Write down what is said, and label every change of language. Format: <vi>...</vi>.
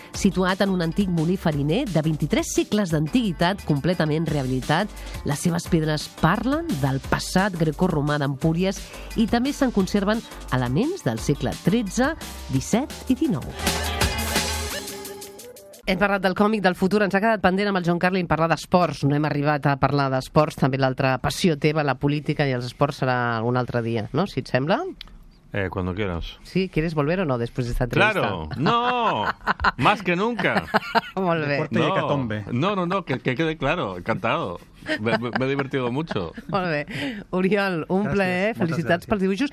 <ca>Situat en un antic molí fariner de 23 segles d'antiguitat completament rehabilitat, les seves pedres parlen del passat grecorromà d'Empúries i també se'n conserven elements del segle XIII, XVII i XIX. Hem parlat del còmic del futur, ens ha quedat pendent amb el John Carlin parlar d'esports, no hem arribat a parlar d'esports, també l'altra passió teva, la política i els esports, serà algun altre dia, no? Si et sembla.</ca> <es>Cuando quieras. Sí, ¿quieres volver o no después de esta entrevista? ¡Claro! ¡No! ¡Más que nunca! ¡Volver! ¡Deporte y hecatombe! No, que quede claro, encantado. Me he divertido mucho.</es> <ca>Molt bé. Oriol, un plaer. Felicitats pels dibuixos.</ca>